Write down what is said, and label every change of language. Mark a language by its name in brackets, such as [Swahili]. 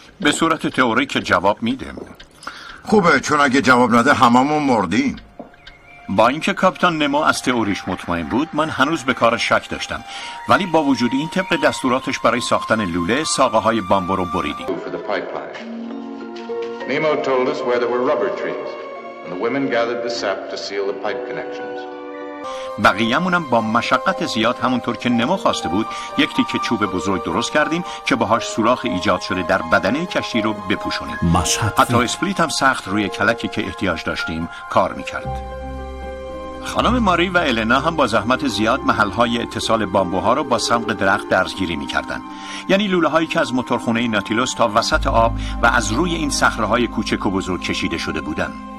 [Persian] به صورت تئوری که جواب میده. خوبه، چون اگه جواب نده هممون مردیم. با اینکه کاپیتان نمو از تئوریش مطمئن بود، من هنوز به کارش شک داشتم. ولی با وجود این، طبق دستوراتش برای ساختن لوله، ساقه های بامبو رو بریدیم. [English] Nemo told us where there were rubber trees. And the women gathered the sap to seal the pipe connections. [Persian] بقیه‌مونم با مشقت زیاد همونطور که نمو خواسته بود یک تیکه چوب بزرگ درست کردیم که باهاش سوراخ ایجاد شده در بدنه کشتی رو بپوشونیم. حتی اسپلیت هم سخت روی کلکی که احتیاج داشتیم کار میکرد. خانم ماری و النا هم با زحمت زیاد محلهای اتصال بامبوها رو با سمق درخت درزگیری میکردن، یعنی لوله هایی که از موتورخونه ناتیلوس تا وسط آب و از روی این صخره‌های کوچک و بزرگ کشیده شده بودن.